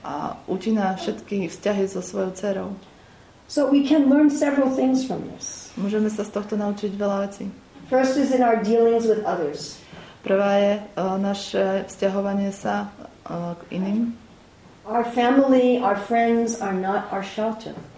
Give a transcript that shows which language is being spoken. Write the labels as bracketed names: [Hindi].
[Slovak] A utína všetky vzťahy so svojou dcerou. [English] So we can learn several things from this. [Slovak] Môžeme sa z tohto naučiť veľa vecí. [English] First is in our dealings with others. [Slovak] Prvá je naše vzťahovanie sa k iným. [English] Our family, our friends are not our shelter.